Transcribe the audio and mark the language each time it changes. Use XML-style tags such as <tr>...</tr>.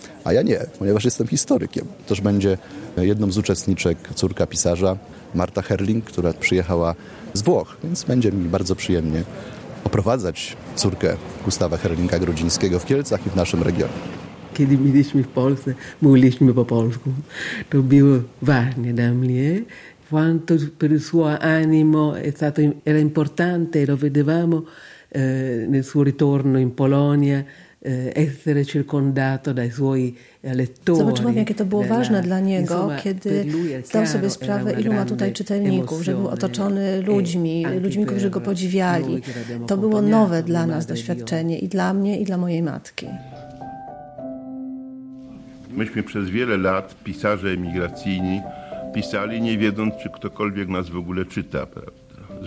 <pl>A ja nie, ponieważ jestem historykiem. Toż będzie jedną z uczestniczek córka pisarza, Marta Herling, która przyjechała z Włoch. Więc będzie mi bardzo przyjemnie oprowadzać córkę Gustawa Herlinga Grudzińskiego w Kielcach i w naszym regionie. Kiedy byliśmy w Polsce, mówiliśmy po polsku. To było ważne dla mnie.</pl> <it>Quanto per il suo animo era importante, lo vedevamo nel suo ritorno in Polonia, essere circondato dai suoi lettori.</it> <pl>Zobaczyłam, jakie to było ważne dla niego, kiedy zdał sobie sprawę, ilu ma tutaj czytelników, że był otoczony ludźmi, którzy go podziwiali. To było nowe dla nas doświadczenie i dla mnie, i dla mojej matki. Myśmy przez wiele lat, pisarze emigracyjni, pisali nie wiedząc, czy ktokolwiek nas w ogóle czyta, prawda?</pl>